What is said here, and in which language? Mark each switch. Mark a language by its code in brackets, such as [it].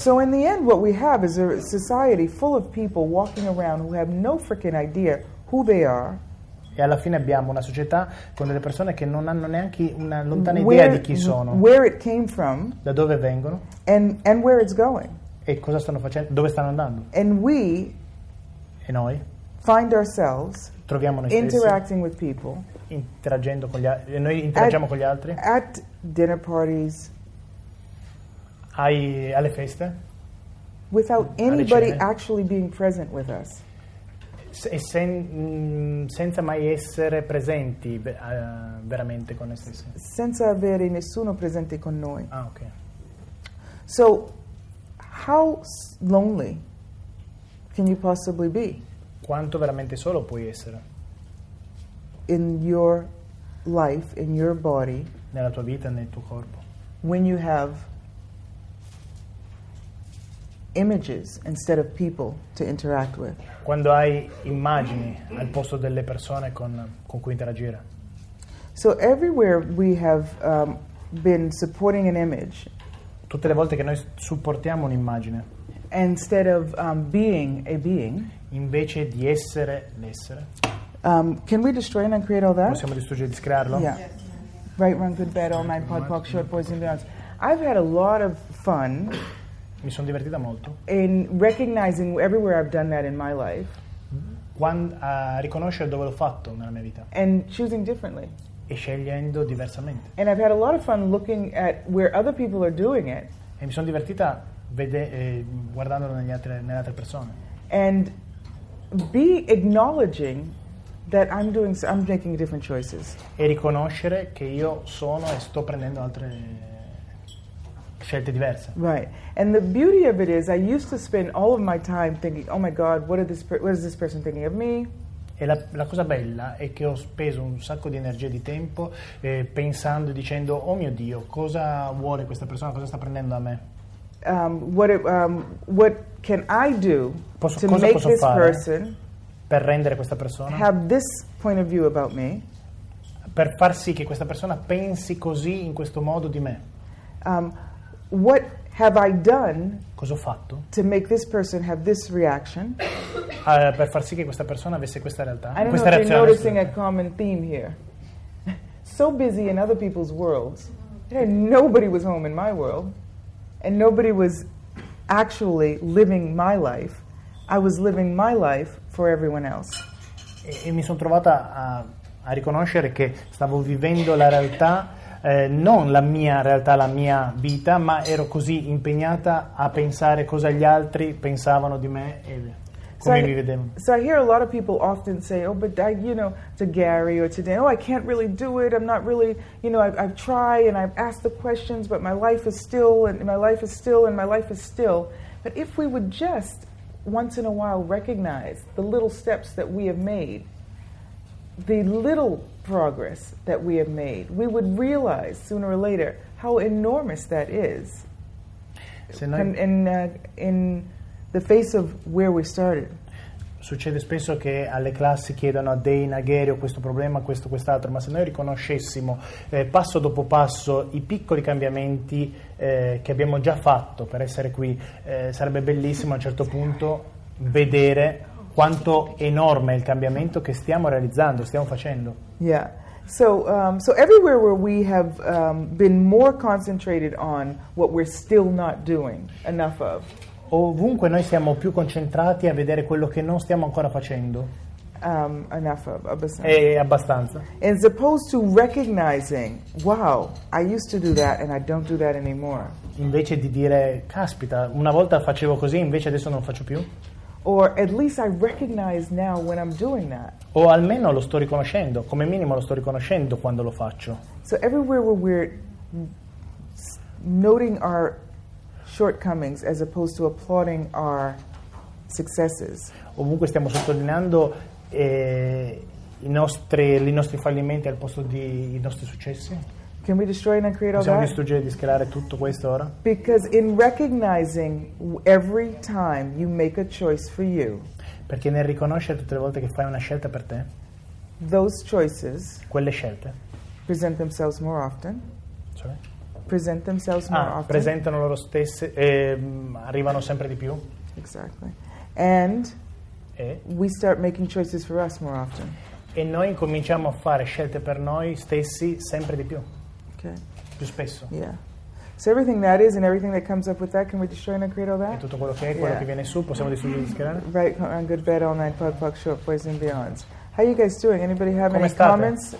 [en] So in the end what we have is a society full of people walking around who have no freaking idea who they are. [it] E alla fine abbiamo una società con delle persone che non hanno neanche una lontana idea di chi sono. [en] Where it came from, [it] da dove vengono? [en] And where it's going. [it] E cosa stanno facendo? Dove stanno andando? [en] And we, [it] e noi, [en] find ourselves, [it] troviamo noi [en] interacting with people, [it] interagendo con gli altri, noi interagiamo con gli altri. [en] At dinner parties, [it] alle feste, [en] without anybody actually being present with us. [it] Senza mai essere presenti veramente con noi stessi. Senza avere nessuno presente con noi. Ah, ok. [en] So, how lonely can you possibly be? [it] Quanto veramente solo puoi essere? [en] In your life, in your body. [it] Nella tua vita, nel tuo corpo. [en] When you have images instead of people to interact with. [it] Quando hai immagini al posto delle persone con cui interagire. [en] So everywhere we have been supporting an image. [it] Tutte le volte che noi supportiamo un'immagine. [en] Instead of being a being. [it] Invece di essere l'essere. [en] Can we destroy and uncreate all that? [it] Possiamo distruggere e discrearlo? [en] Yeah. Right, wrong, good, bad, all night, pod, pop, short, boys and beyonds. I've had a lot of fun. [it] Mi sono divertita molto. [en] In recognizing everywhere I've done that in my life. [it] Riconoscere dove l'ho fatto nella mia vita. [en] And choosing differently. [it] E scegliendo diversamente. [en] And I've had a lot of fun looking at where other people are doing it. [it] E mi sono divertita guardandolo nelle altre persone. [en] And be acknowledging that I'm making different choices. [it] E riconoscere che io sono e sto prendendo altre scelte diverse. [en] Right. And the beauty of it is I used to spend all of my time thinking, oh my God, what is this person thinking of me? [it] E la cosa bella è che ho speso un sacco di energia e di tempo pensando e dicendo, oh mio Dio, cosa vuole questa persona, cosa sta prendendo da me? [en] What can I do [it] posso, [en] to make this person [it] per rendere questa persona [en] have this point of view about me? [it] Per far sì che questa persona pensi così in questo modo di me. [en] What have I done? [it] Cosa ho fatto? [en] To make this person have this reaction? [it] Per far sì che questa persona avesse questa realtà. [en] I don't [it] questa [en] know if [it] reazione. [en] You're noticing a common theme here. So busy in other people's worlds, and nobody was home in my world, and nobody was actually living my life. I was living my life for everyone else. [it] E mi sono trovata a riconoscere che stavo vivendo la realtà. Non la mia realtà, la mia vita, ma ero così impegnata a pensare cosa gli altri pensavano di me e come mi vedevano. [en] So I hear a lot of people often say, oh, but I, you know, to Gary or to Dan, oh, I can't really do it, I'm not really, you know, I've tried and I've asked the questions, but my life is still, and my life is still, and my life is still. But if we would just once in a while recognize the little steps that we have made, the little progress that we have made, we would realize sooner or later how enormous that is. [it] Se noi [en] in the face of where we started. [it] Succede spesso che alle classi chiedono a Dane, a Gary, ho questo problema, questo, quest'altro, ma se noi riconoscessimo passo dopo passo i piccoli cambiamenti che abbiamo già fatto per essere qui, sarebbe bellissimo a un certo punto vedere quanto enorme è il cambiamento che stiamo realizzando, stiamo facendo. [en] Yeah. So everywhere where we have been more concentrated on what we're still not doing enough of. [it] Ovunque noi siamo più concentrati a vedere quello che non stiamo ancora facendo. [en] Enough of, abbastanza. And as opposed to recognizing, wow, I used to do that and I don't do that anymore. [it] Invece di dire, caspita, una volta facevo così, invece adesso non faccio più. [en] Or at least I recognize now when I'm doing that. [it] O almeno lo sto riconoscendo, come minimo lo sto riconoscendo quando lo faccio. [en] So everywhere where we're noting our shortcomings as opposed to applauding our successes. [it] Ovunque stiamo sottolineando i nostri fallimenti al posto di i nostri successi. [en] Can we destroy and uncreate all that? [it] Possiamo distruggere e discreare tutto questo ora? [en] Because in recognizing every time you make a choice for you. [it] Perché nel riconoscere tutte le volte che fai una scelta per te. [en] Those choices. [it] Quelle scelte. [en] Present themselves more often. Sorry. present themselves more often. [it] Presentano loro stesse, arrivano sempre di più. [en] Exactly. And we start making choices for us more often. [it] E noi incominciamo a fare scelte per noi stessi sempre di più. [en] Okay. [it] Più spesso. [en] Yeah. So everything that is and everything that comes up with that, can we destroy and create all that? [it] E tutto quello che è, quello che viene su, possiamo distruggere? [en] Right, on good bed, all night, pug, pug, short, poison, beyond. How are you guys doing? Anybody have any comments?